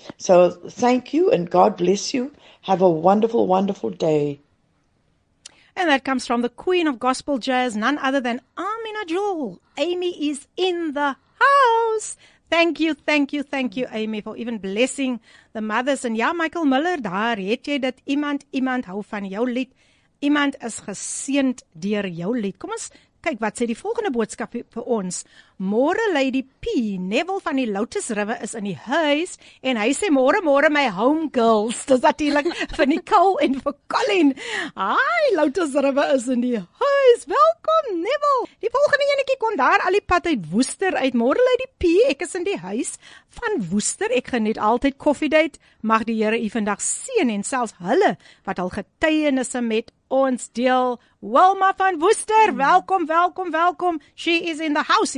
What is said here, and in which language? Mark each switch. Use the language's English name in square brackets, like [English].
[English] So thank you and God bless you. Have a wonderful, wonderful day. And that comes from the queen of gospel jazz, none other than Amina Jewel. Amy is in the house. Thank you, Amy, for even blessing the mothers. [Afrikaans] And yeah, Michael Miller, daar het jy dit. Iemand hou van jou lied. Iemand is geseend deur jou lied. Kom ons kyk wat sê die volgende boodskap vir ons. Môre, Lady P, Neville van die Lotus River is in die huis. En hy sê, môre, my home girls. Dis natuurlik vir Nicole en vir Colin. Hi, Lotus River is in die huis. Welkom, Neville. Die volgende enetjie kom daar al die pad uit Woester uit. Môre, Lady P, ek is in die huis van Woester. Ek geniet altyd koffiedate. Mag die Here u vandag seën en selfs hulle wat al getuienisse met ons deel. [English] Wilma van Woester, welkom. She is in the house.